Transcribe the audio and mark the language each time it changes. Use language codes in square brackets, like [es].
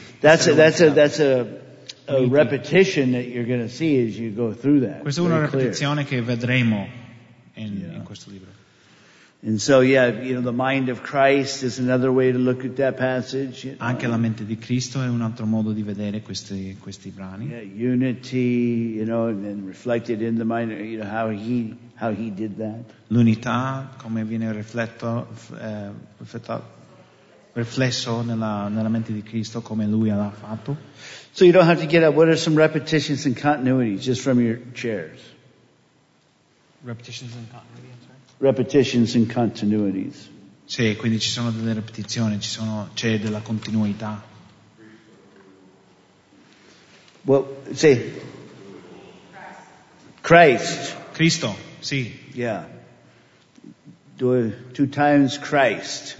[en] That's a repetition that you're going to see as you go through that. [it] Questa è una ripetizione che vedremo in questo libro. [en] And so, yeah, you know, the mind of Christ is another way to look at that passage. You know? [it] Anche la mente di Cristo è un altro modo di vedere questi brani. [en] Yeah, unity, you know, and reflected in the mind, you know, how he did that. [it] L'unità, come viene riflesso nella mente di Cristo, come lui l'ha fatto. [en] So you don't have to get up. What are some repetitions and continuities just from your chairs? Repetitions and continuities. Repetitions and continuities. [it] Sì, quindi ci sono delle ripetizioni, c'è della continuità. [en] Well, sì. Christ. [it] Cristo, sì. [en] Yeah. Two times Christ.